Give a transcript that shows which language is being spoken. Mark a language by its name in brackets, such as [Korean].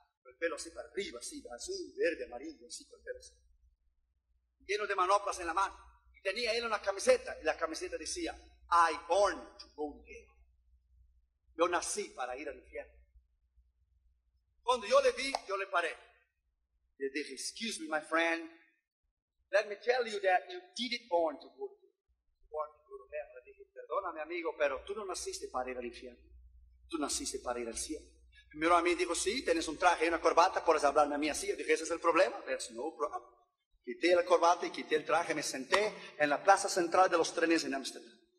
[Spanish] Con el pelo así para arriba, así, azul, verde, amarillo, así, con el pelo así. Lleno de manoplas en la mano, y tenía él una camiseta, y la camiseta decía, [English] I born to go to hell. [Spanish] Yo nací para ir al infierno. Cuando yo le vi, yo le paré. Le dije, [English] excuse me, my friend. Let me tell you that you didn't born to go to heaven. [Spanish] Le dije, perdóname, amigo, pero tú no naciste para ir al infierno. Tú naciste para ir al cielo. Me miró a mí y dijo, sí, tienes un traje y una corbata, puedes hablarme a mí así. Yo dije, ese es el problema. [English] That's no problem. [Spanish] Quité la corbata y quité el traje. Me senté en la plaza central de los trenes en Ámsterdam.